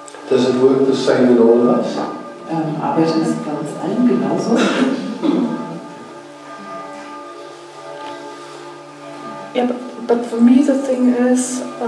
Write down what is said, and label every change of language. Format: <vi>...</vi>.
<en>Does it work the same in all of us?</en> <de>Arbeitet es bei uns allen genauso?</de> <en>Yeah, but for me the thing is,</en>